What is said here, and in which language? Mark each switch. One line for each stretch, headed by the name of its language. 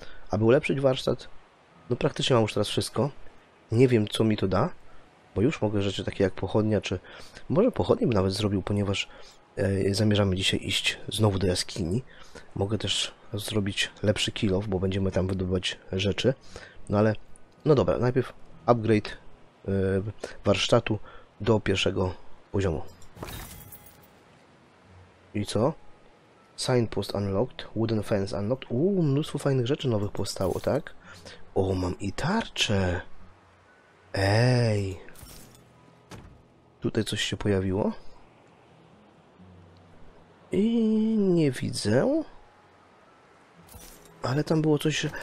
Polish: Aby ulepszyć warsztat, no praktycznie mam już teraz wszystko. Nie wiem, co mi to da, bo już mogę rzeczy takie jak pochodnia, czy może pochodnie bym nawet zrobił, ponieważ zamierzamy dzisiaj iść znowu do jaskini. Mogę też zrobić lepszy kill-off, bo będziemy tam wydobywać rzeczy. No ale, no dobra, najpierw upgrade warsztatu do pierwszego poziomu. I co?
English: Signpost unlocked, wooden fence unlocked.
Polish: Mnóstwo fajnych rzeczy nowych powstało, tak? O, mam i tarczę! Ej! Tutaj coś się pojawiło. I nie widzę. Ale tam było coś...